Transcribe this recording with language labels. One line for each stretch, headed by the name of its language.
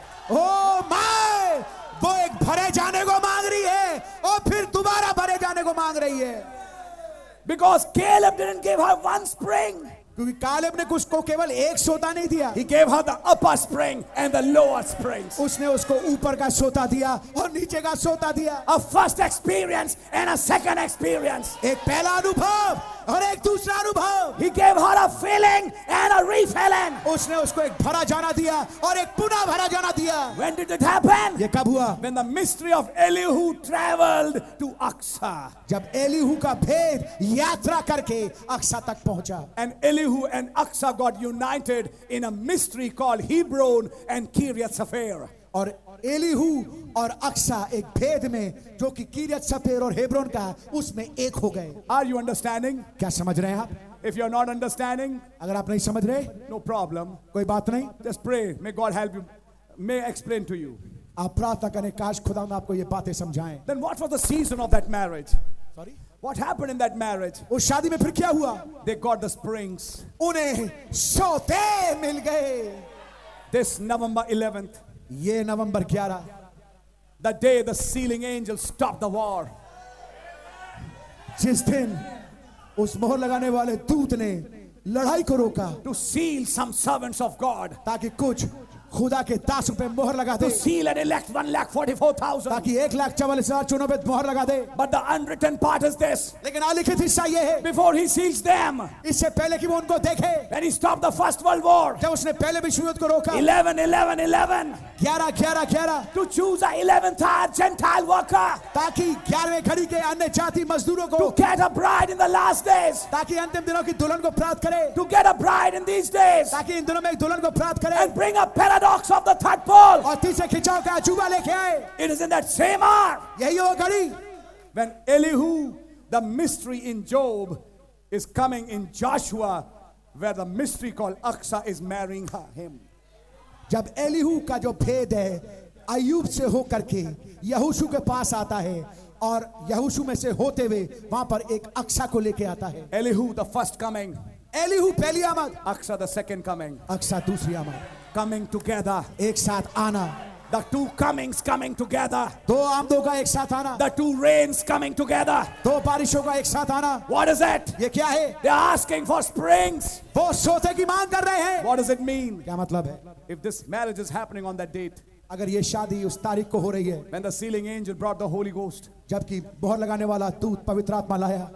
English: Oh my!
Hindi: वो एक भरे जाने को मांग रही है और फिर दोबारा भरे जाने को मांग रही है.
English: Because Caleb didn't give her one spring.
Hindi: क्योंकि कालेब ने उसको केवल एक सोता नहीं दिया.
English: He gave her the upper spring and the lower springs.
Hindi: उसने उसको ऊपर का सोता दिया और नीचे का सोता दिया.
English: A first experience and a second experience.
Hindi: एक पहला अनुभव और एक दूसरा अनुभव.
English: He gave her a filling and a refilling.
Hindi: उसने उसको एक भरा जाना दिया और एक पुनः भरा जाना दिया.
English: When did it happen?
Hindi: ये कब हुआ?
English: When the mystery of Elihu traveled to Aksa.
Hindi: जब Elihu का भेद यात्रा करके अक्सा तक पहुंचा.
English: And Elihu and Aksa got united in a mystery called Hebron and Kiriath Sefer.
Hindi: और Elihu और अक्सा एक भेद में जो कि किरियत सफेर और हेब्रोन का उसमें एक हो गए.
English: Are you understanding?
Hindi: क्या समझ रहे हैं आप?
English: If you're not understanding,
Hindi: अगर आप नहीं समझ रहे,
English: no problem,
Hindi: कोई बात नहीं.
English: Just pray. May God help you. May explain to you.
Hindi: आप प्रार्थना करें काश खुदा आपको ये बातें समझाएं.
English: Then what was the season of that marriage? Sorry. What happened in that marriage?
Hindi: उस शादी में फिर क्या हुआ?
English: They got the springs.
Hindi: उन्हें सोते मिल गए.
English: This November 11th.
Hindi: ये नवंबर 11,
English: the day the sealing angel stopped the war,
Hindi: जिस दिन उस मोहर लगाने वाले दूत ने लड़ाई को रोका,
English: to seal some servants of God,
Hindi: ताकि कुछ खुदा के दासों पे मोहर लगा दे,
English: to seal and elect 1,44,000,
Hindi: ताकि 1,44,000 चुनों पे मोहर लगा दे,
English: but the unwritten part is this,
Hindi: लेकिन अलिखित हिस्सा ये है,
English: before he seals them,
Hindi: इससे पहले कि वो उनको देखे,
English: when he stopped the first world war,
Hindi: जब उसने पहले विश्व युद्ध को रोका,
English: 11, 11, 11.
Hindi: ग्यारह ग्यारह ग्यारह.
English: To choose a 11th hour Gentile worker.
Hindi: ताकि ग्यारहवें घड़ी के अन्य जाति मजदूरों को.
English: To get a bride in the last days.
Hindi: ताकि अंतिम दिनों की दुल्हन को प्राप्त करे.
English: To get a bride in these days.
Hindi: ताकि इन दिनों में एक दुल्हन को प्राप्त करे.
English: And bring a paradox of the third pole.
Hindi: और तीसरे खिंचाव का अजूबा लेके आए.
English: It is in that same hour.
Hindi: यही वो घड़ी.
English: When Elihu, the mystery in Job, is coming in Joshua, where the mystery called Aksa is marrying him.
Hindi: जब Elihu का जो भेद है अय्यूब से होकर के यहोशू के पास आता है और यहोशू में से होते हुए वहां पर एक अक्सा को लेके आता है.
English: Elihu the first coming.
Hindi: Elihu पहली आमद.
English: Aksa the second coming.
Hindi: Aqsa दूसरी आमद.
English: Coming together.
Hindi: एक साथ आना.
English: The two comings coming together.
Hindi: दो आमदों का एक साथ आना.
English: The two rains coming together.
Hindi: दो बारिशों का एक साथ आना.
English: What is it?
Hindi: ये क्या है?
English: They asking for springs.
Hindi: वो सोते की मांग कर रहे हैं.
English: What does it mean?
Hindi: क्या मतलब है?
English: If this marriage is happening on that date,
Hindi: अगर ये शादी उस तारीख को हो रही है,
English: when the sealing angel brought the Holy Ghost,
Hindi: जबकि मोहर लगाने वाला दूत पवित्र आत्मा लाया,